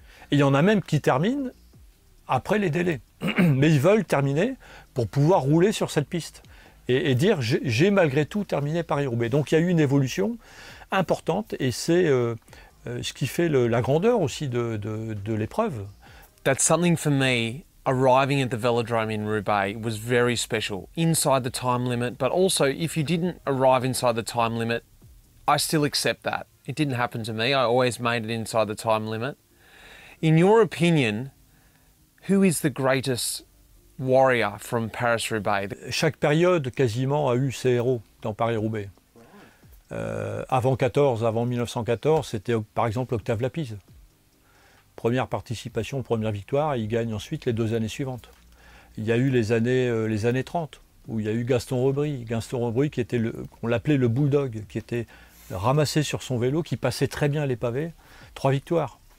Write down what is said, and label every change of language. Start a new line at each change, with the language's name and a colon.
French: Et il y en a même qui terminent après les délais. Mais ils veulent terminer pour pouvoir rouler sur cette piste. Et dire j'ai malgré tout terminé Paris-Roubaix. Donc il y a eu une évolution importante et c'est ce qui fait la grandeur aussi de l'épreuve.
English: That's something for me, arriving at the velodrome in Roubaix was very special, inside the time limit, but also if you didn't arrive inside the time limit, I still accept that. It didn't happen to me, I always made it inside the time limit. In your opinion, who is the greatest warrior from Paris-Roubaix?
French: Chaque période quasiment a eu ses héros dans Paris-Roubaix. Avant 1914, c'était par exemple Octave Lapize. Première participation, première victoire, et il gagne ensuite les deux années suivantes. Il y a eu les années 30, où il y a eu Gaston Rebris qui était on l'appelait le bulldog, qui était ramassé sur son vélo, qui passait très bien les pavés, trois victoires.